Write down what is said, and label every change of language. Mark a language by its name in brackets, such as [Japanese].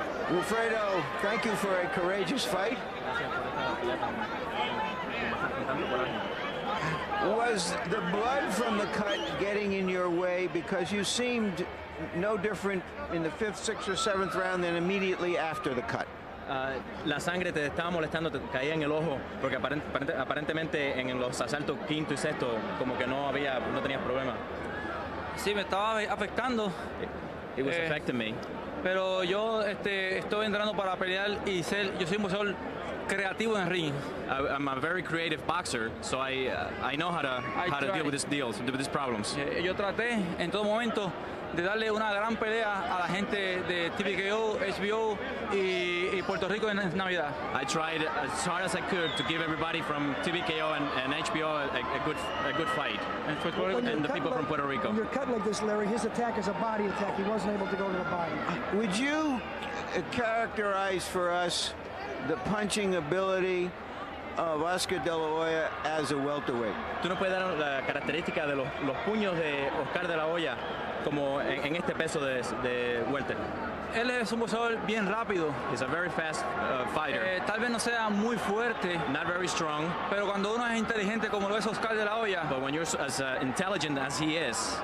[English] Wilfredo, thank you for a courageous fight. Was the blood from the cut getting in your way? Because you seemed no different in the fifth, sixth, or seventh round than immediately after the cut. [Spanish] La sangre te estaba molestando, te caía en el ojo, porque aparentemente en los asaltos quinto y sexto como que no tenías problema. Sí, me estaba afectando. [English] It was affecting me. [Spanish] Pero yo estoy entrenando para pelear y ser, yo soy un boxeador creativo en el ring. [English] I'm a very creative boxer, so I know how to deal with these deals, with these problems. [Spanish] Yo traté en todo momento de darle una gran pelea a la gente de TVKO, HBO y Puerto Rico en Navidad. [English] I tried as hard as I could to give everybody from TVKO and HBO a good fight. And Puerto Rico, and the people from Puerto Rico. When you're cutting like this, Larry, his attack is a body attack. He wasn't able to go to the body. Would you characterize for us the punching ability of Oscar De La Hoya as a welterweight? [Spanish] Tú no puedes dar la característica de los puños de Oscar De La Hoya como en este peso de welter. Él es un boxeador bien rápido. [English] He's a very fast fighter. [Spanish] Tal vez no sea muy fuerte. [English] Not very strong. [Spanish] Pero cuando uno es inteligente como lo es Oscar De La Hoya. [English] But when you're as intelligent as he is.